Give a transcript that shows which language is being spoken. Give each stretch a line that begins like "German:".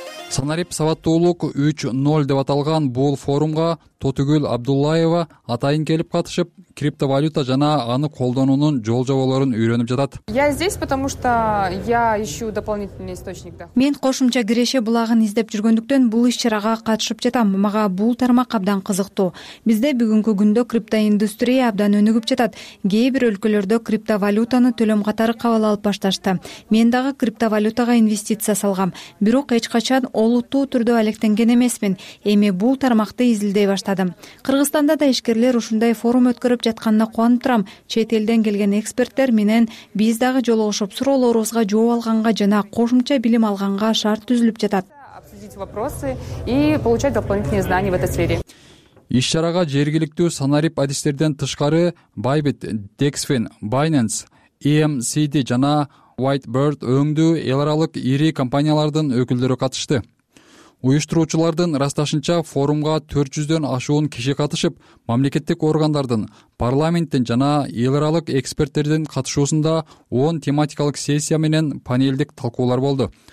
Kyrgyz: Санарип Сабаттуулук 3.0 деп аталган бул форумга Тотугүл Абдуллаева атайын келип катышып, криптовалюта жана аны колдонуунун жол-жоболорун үйрөнүп жатат.
Russian: Я здесь, потому что я ищу дополнительный источник дохода.
Kyrgyz: Мен кошумча киреше булагын издеп жүргөндүктөн бул иш-чарага катышып жатам. Мага бул тармак абдан кызыктуу. Бизде бүгүнкү күндө криптоиндустрия абдан өнүгүп жатат. Кээ бир өлкөлөрдө криптовалютаны төлөм катары кабыл алып башташты. Мен дагы криптовалютага инвестиция салгам, бирок эч качан олуттуу түрдө алектенген эмесмин. Эми бул тармакты изилдей баштадым. Кыргызстанда да ишкерлер ушундай форум көрүп жатканына кубанып турам. Чет элден келген эксперттер менен биз дагы жолугушуп, суроолорубузга жооп алганга жана кошумча билим алганга шарт түзүлүп жатат.
Russian: Обсудить вопросы и получать дополнительные знания в этой сфере.
Kyrgyz: Иш-чарага жергиликтүү Санарип адистерден тышкары Bybit, Dexfin, Binance, EMCD жана Whitebird өңдүү эл аралык ири компаниялардын өкүлдөрү катышты. Уюштуруучулардын расташынча форумга 400 ашуун киши катышып, мамлекеттик органдардын, парламенттин жана эл аралык эксперттердин катышуусунда 10 тематикалык сессия менен панелдик талкуулар болду.